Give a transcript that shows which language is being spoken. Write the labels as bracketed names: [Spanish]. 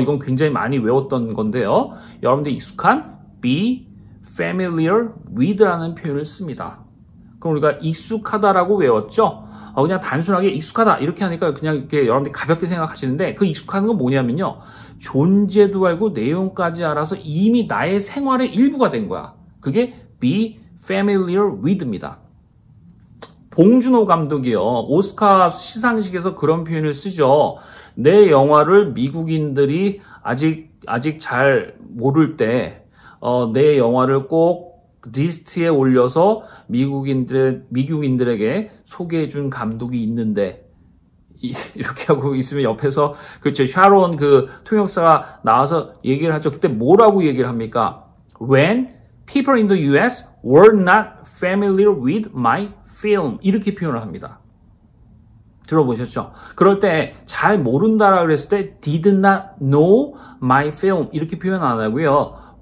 [Korean] 이건 굉장히 많이 외웠던 건데요. 여러분들 익숙한 be familiar with라는 표현을 씁니다. 그럼 우리가 익숙하다라고 외웠죠? 그냥 단순하게 익숙하다 이렇게 하니까 그냥 이렇게 여러분들이 가볍게 생각하시는데 그 익숙한 건 뭐냐면요. 존재도 알고 내용까지 알아서 이미 나의 생활의 일부가 된 거야. 그게 be familiar with입니다. 봉준호 감독이요. 오스카 시상식에서 그런 표현을 쓰죠. 내 영화를 미국인들이 아직 잘 모를 때 내 영화를 꼭 리스트에 올려서 미국인들에게 소개해준 감독이 있는데 이렇게 하고 있으면 옆에서 그렇죠 샤론 그 통역사가 나와서 얘기를 하죠. 그때 뭐라고 얘기를 합니까? [English] When people in the U.S. were not familiar with my film [Korean] 이렇게 표현을 합니다. 들어보셨죠? 그럴 때 잘 모른다라고 했을 때 [English] did not know my film [Korean] 이렇게 표현 안 하고요.